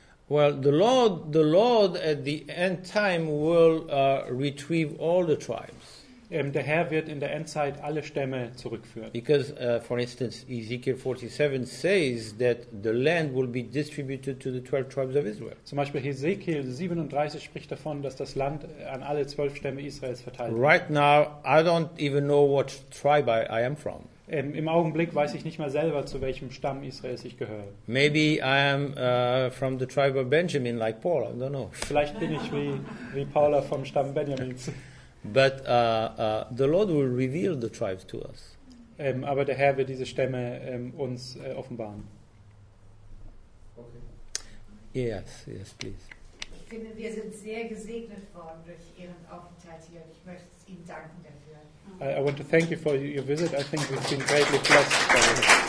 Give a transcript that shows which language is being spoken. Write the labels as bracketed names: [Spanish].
[English] Well, the Lord at the end time will retrieve all the tribes. [German] Der Herr wird in der Endzeit alle Stämme zurückführen. [English] Because, for instance, Ezekiel 47 says that the land will be distributed to the 12 tribes of Israel. [German] Zum Beispiel Ezekiel 37 spricht davon, dass das Land an alle 12 Stämme Israels verteilt wird. [English] Right now, I don't even know what tribe I am from. [German] Im Augenblick weiß ich nicht mal selber, zu welchem Stamm Israels ich gehöre. [English] Maybe I am from the tribe of Benjamin, like Paul. I don't know. [German] Vielleicht bin ich wie Paula vom Stamm Benjamins. [English] But the Lord will reveal the tribes to us. [German] Aber der Herr wird diese Stämme uns offenbaren. [English] Okay. Yes, please. [German] Ich finde, wir sind sehr gesegnet worden durch Ihren Aufenthalt hier. Ich möchte Ihnen danken dafür. [English] I want to thank you for your visit. I think we've been greatly blessed by you.